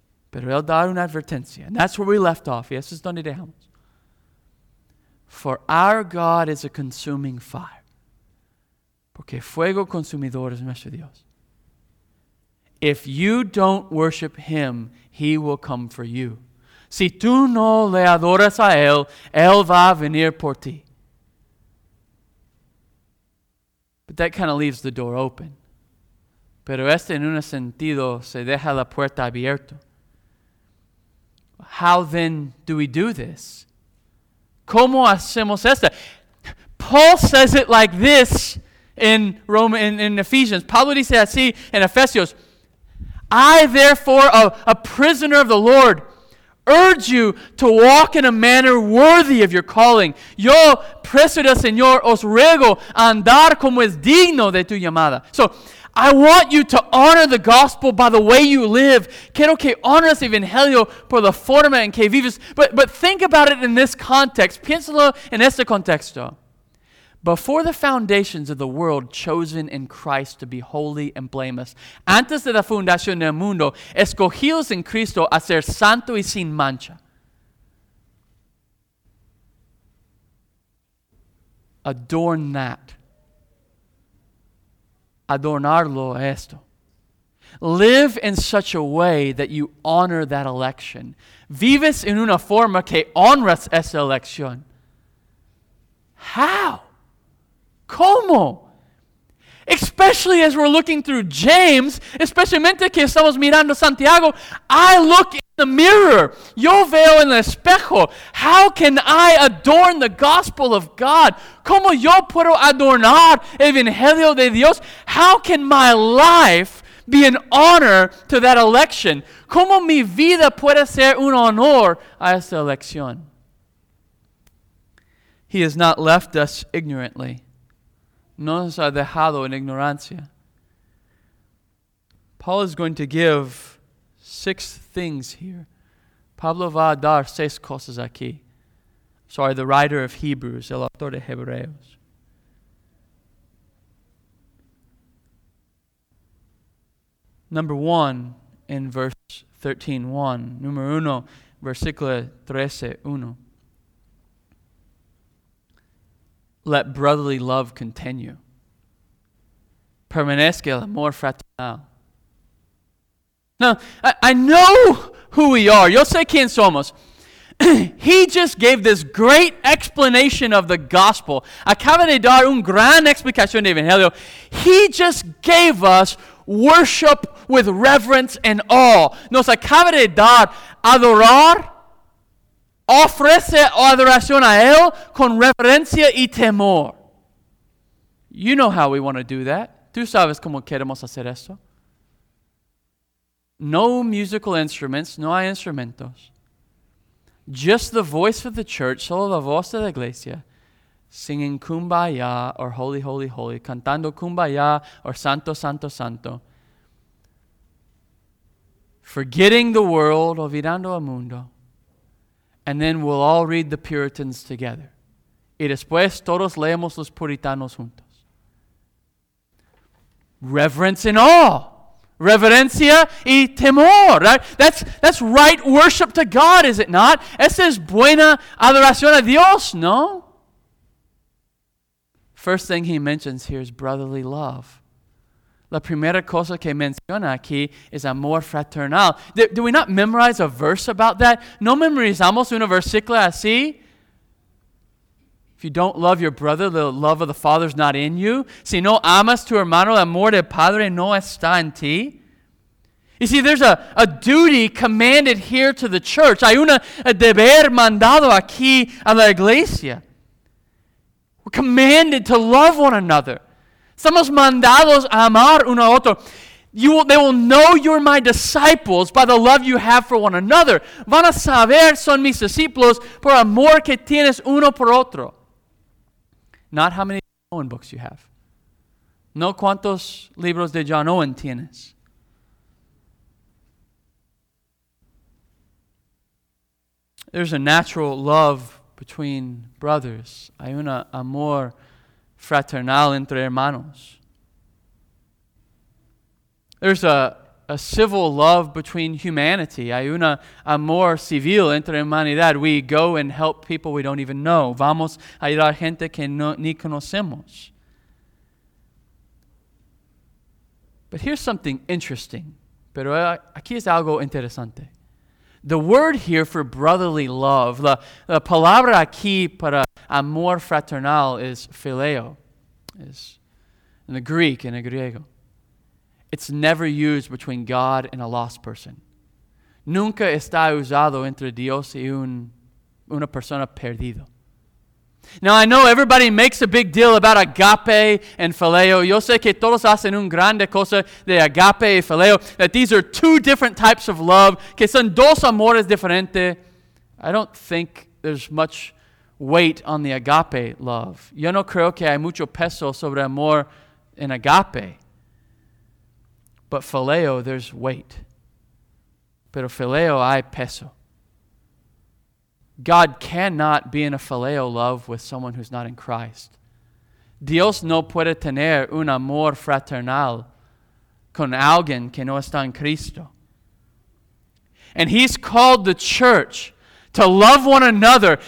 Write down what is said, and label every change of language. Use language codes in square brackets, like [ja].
[es] Pero él da una advertencia. [en] And that's where we left off. [es] Y eso es donde dejamos. [en] For our God is a consuming fire. [es] Porque fuego consumidor es nuestro Dios. [en] If you don't worship him, he will come for you. [es] Si tú no le adoras a Él, Él va a venir por ti. [en] But that kind of leaves the door open. [es] Pero este en un sentido se deja la puerta abierta. [en] How then do we do this? [es] ¿Cómo hacemos esta? [en] Paul says it like this in Ephesians. [es] Pablo dice así en Efesios. [en] I, therefore, a prisoner of the Lord, urge you to walk in a manner worthy of your calling. [es] Yo, preso del Señor, os ruego andar como es digno de tu llamada. [en] So, I want you to honor the gospel by the way you live. [es] Quiero que honres el evangelio por la forma en que vives. [en] But think about it in this context. [es] Piénsalo en este contexto. [en] Before the foundations of the world, chosen in Christ to be holy and blameless. [es] Antes de la fundación del mundo, escogidos en Cristo a ser santo y sin mancha. [en] Adorn that. [es] Adornarlo esto. [en] Live in such a way that you honor that election. [es] Vives en una forma que honras esa elección. [en] How? [es] ¿Cómo? [en] Especially as we're looking through James, [es] especialmente que estamos mirando Santiago, [en] I look in the mirror. [es] Yo veo en el espejo. [en] How can I adorn the gospel of God? [es] ¿Cómo yo puedo adornar el evangelio de Dios? [en] How can my life be an honor to that election? [es] ¿Cómo mi vida puede ser un honor a esa elección? [en] He has not left us ignorantly. [es] No nos ha dejado en ignorancia. [en] Paul is going to give six things here. [es] Pablo va a dar seis cosas aquí. [en] Sorry, the writer of Hebrews, [es] el autor de Hebreos. [en] Number one in verse 13, one. [es] Número uno, versículo 13, uno. [en] Let brotherly love continue. [es] Permanezca el amor fraternal. [en] Now, I know who we are. [es] Yo sé quién somos. [en] He just gave this great explanation of the gospel. [es] Acaba de dar un gran explicación de evangelio. [en] He just gave us worship with reverence and awe. [es] Nos acaba de dar adorar. Ofrece adoración a él con reverencia y temor. [en] You know how we want to do that. [es] Tú sabes cómo queremos hacer esto. [en] No musical instruments, [es] no hay instrumentos. [en] Just the voice of the church, [es] solo la voz de la iglesia, [en] singing Kumbaya or Holy, Holy, Holy, [es] cantando Kumbaya or Santo, Santo, Santo. [en] Forgetting the world, [es] olvidando el mundo. [en] And then we'll all read the Puritans together. [es] Y después todos leemos los puritanos juntos. [en] Reverence and awe. [es] Reverencia y temor. [en] Right? That's right worship to God, is it not? [es] Esa es buena adoración a Dios, ¿no? [en] First thing he mentions here is brotherly love. [es] La primera cosa que menciona aquí es amor fraternal. [en] Do we not memorize a verse about that? [es] No memorizamos un versículo así. [en] If you don't love your brother, the love of the Father is not in you. [es] Si no amas tu hermano, el amor del Padre no está en ti. [en] You see, there's a duty commanded here to the church. [es] Hay una deber mandado aquí a la iglesia. [en] We're commanded to love one another. [es] Somos mandados a amar uno a otro. [en] They will know you're my disciples by the love you have for one another. [es] Van a saber son mis discípulos por amor que tienes uno por otro. [en] Not how many John Owen books you have. [es] No cuántos libros de John Owen tienes. [en] There's a natural love between brothers. [es] Hay un amor fraternal entre hermanos. [en] There's a civil love between humanity. [es] Hay un amor civil entre humanidad. [en] We go and help people we don't even know. [es] Vamos a ayudar a gente que no, ni conocemos. [en] But here's something interesting. [es] Pero aquí es algo interesante. [en] The word here for brotherly love, [es] la palabra aquí para amor fraternal is phileo. [en] Is in the Greek, in the griego. It's never used between God and a lost person. [es] Nunca está usado entre Dios y una persona perdido. [en] Now, I know everybody makes a big deal about agape and phileo. [es] Yo sé que todos hacen un grande cosa de agape y phileo, [en] that these are two different types of love, [es] que son dos amores diferentes. [en] I don't think there's much weight on the agape love. [es] Yo no creo que hay mucho peso sobre amor en agape. [en] But phileo, there's weight. [es] Pero phileo hay peso. [en] God cannot be in a phileo love with someone who's not in Christ. [es] Dios no puede tener un amor fraternal con alguien que no está en Cristo. [en] And he's called the church to love one another.